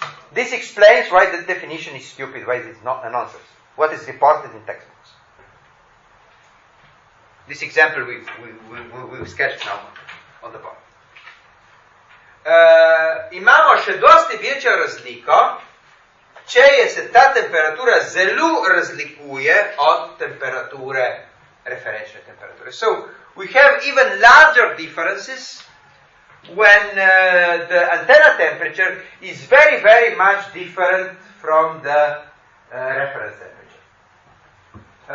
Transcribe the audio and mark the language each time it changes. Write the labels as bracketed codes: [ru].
[en] This explains why the definition is stupid, why it's not a nonsense. What is reported in textbooks? This example we sketched now on the board. [sl] Imamo še dosti večjo razliko, če je se ta temperatura zelo razlikuje od temperature, referenčne temperature. [en] So, we have even larger differences when the antenna temperature is very, very much different from the reference temperature.